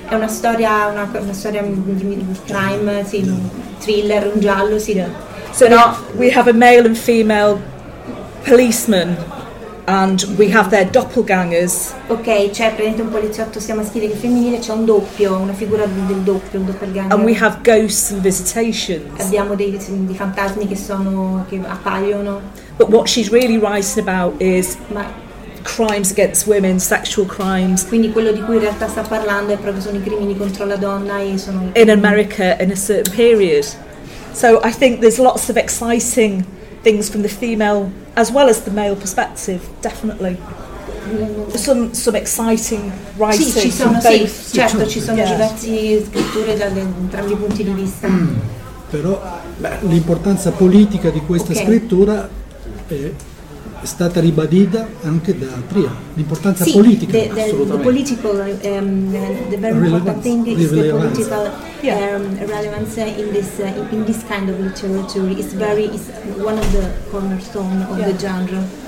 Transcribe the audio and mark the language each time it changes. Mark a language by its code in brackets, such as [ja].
[it] È una storia di crime, sì, thriller, un giallo, sì. [en] Yeah. So now we have a male and female policeman. And we have their doppelgangers. [it] Okay, c'è praticamente un poliziotto sia maschile che femminile, c'è un doppio, una figura del doppio, un doppelganger. [en] And we have ghosts and visitations. [it] Abbiamo dei fantasmi che appaiono. [en] But what she's really writing about is crimes against women, sexual crimes. [it] Quindi quello di cui in realtà sta parlando è proprio sono i crimini contro la donna e sono. [en] In America, in a certain period. So I think there's lots of exciting things from the female as well as the male perspective, definitely. Some exciting writing. [it] Sì, ci sono, sì, certo, ci sono diverse scritture da entrambi i punti di vista. Mm. Però l'importanza politica di questa scrittura è stata ribadita anche da Tria. L'importanza politica, assolutamente. [en] The political, the very important thing is the political relevance in this kind of literature. It's one of the cornerstone of the genre.